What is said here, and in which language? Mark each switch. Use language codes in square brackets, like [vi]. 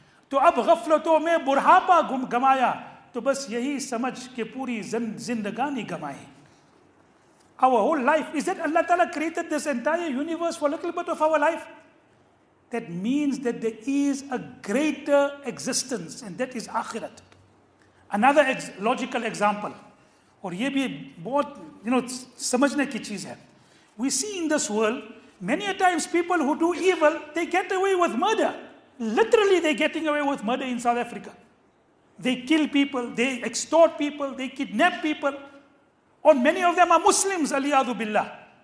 [ur] تو اب غفلتوں میں برہاپا گمایا تو بس یہی سمجھ کہ پوری زندگانی گمائیں. [en] Our whole life, is that Allah Ta'ala created this entire universe for a little bit of our life? That means that there is a greater existence, and that is akhirat. Another logical example, [ur] اور یہ بھی بہت, [en] you know, [ur] سمجھنے کی چیز ہے. [en] We see in this world, many a times people who do evil, they get away with murder. Literally, they're getting away with murder in South Africa. They kill people, they extort people, they kidnap people. And many of them are Muslims, aliyadu billah.